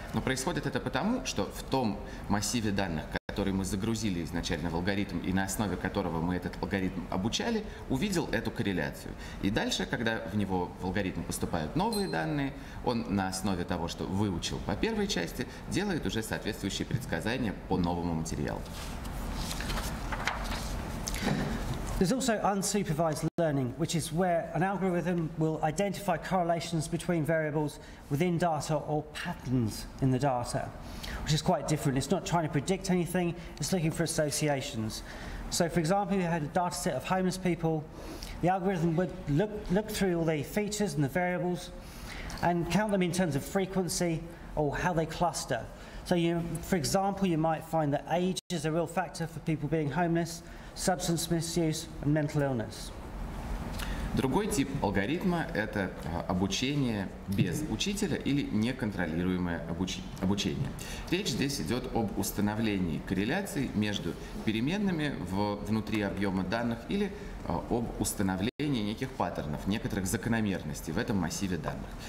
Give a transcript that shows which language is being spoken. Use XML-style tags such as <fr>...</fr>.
<ru>Но происходит это потому, что в том массиве данных, который мы загрузили изначально в алгоритм и на основе которого мы этот алгоритм обучали, увидел эту корреляцию. И дальше, когда в него в алгоритм поступают новые данные, он на основе того, что выучил по первой части, делает уже соответствующие предсказания по новому материалу.</ru> <en>There's also unsupervised learning, which is where an algorithm will identify correlations between variables within data or patterns in the data, which is quite different. It's not trying to predict anything, it's looking for associations. So for example, if you had a data set of homeless people, the algorithm would look through all the features and the variables and count them in terms of frequency or how they cluster. So you, for example, you might find that age is a real factor for people being homeless, substance misuse and mental illness.</en> <ru>Другой тип алгоритма – это обучение без учителя или неконтролируемое обучение. Речь здесь идет об установлении корреляций между переменными внутри объема данных или об установлении неких паттернов, некоторых закономерностей в этом массиве данных.</ru>